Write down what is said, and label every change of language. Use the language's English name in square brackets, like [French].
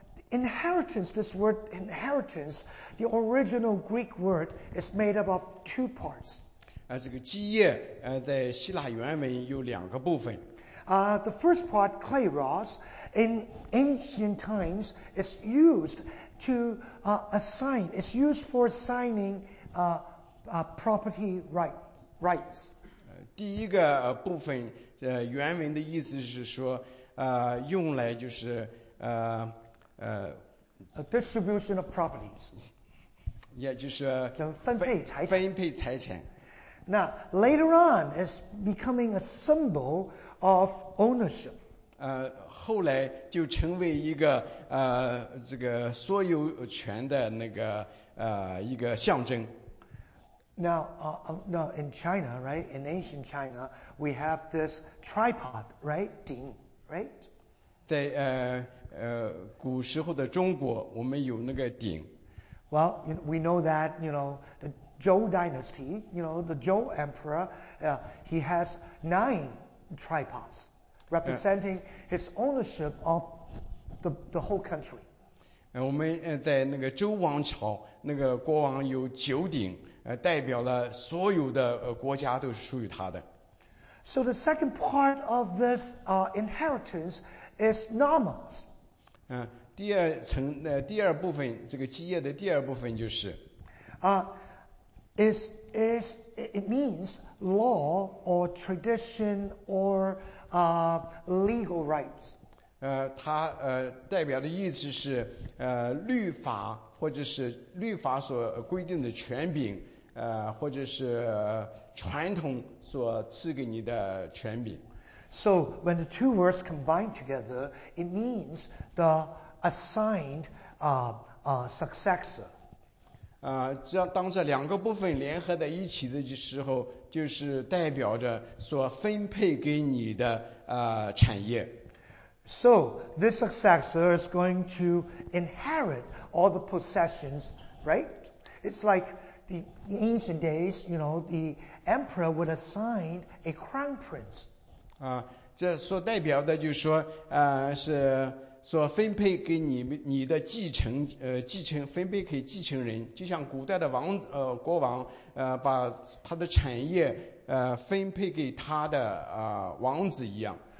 [English] Inheritance, this word inheritance, the original Greek word is made up of two parts. [Chinese] 这个基业在希腊原文有两个部分。 [English] The first part, kleros, in ancient times is used to assign, it's used for assigning property rights. [Chinese] 第一个部分原文的意思是说用来就是 [English] A distribution of properties. [Chinese] 也就是分配财产。 [English] Now, later on, it's becoming a symbol of ownership. [Chinese] 后来就成为一个这个所有权的那个一个象征。 [English] Now, in China, right? In ancient China, we have this tripod, right? Ding, right? [Chinese] 在古时候的中国，我们有那个鼎。 [English] Well, we know that, you know, the Zhou Dynasty, you know, the Zhou Emperor, he has 9 tripods representing his ownership of the whole country. [Chinese] 我们在那个周王朝，那个国王有九鼎，代表了所有的国家都是属于他的。 [English] So the second part of this inheritance is nomos. [Chinese] 第二层第二部分，这个基业的第二部分就是 [English] it means law or tradition or legal rights. [Chinese] 它代表的意思是律法，或者是律法所规定的权柄，或者是传统所赐给你的权柄。 [English] So when the two words combine together, it means the assigned successor. [Chinese] 当这两个部分联合在一起的时候，就是代表着所分配给你的产业。 [English] So this successor is going to inherit all the possessions, right? It's like the ancient days, you know, the emperor would assign a crown prince. [Chinese] 这所代表的就是说是所分配给你的继承分配给继承人，就像古代的王国王把他的产业分配给他的王子一样。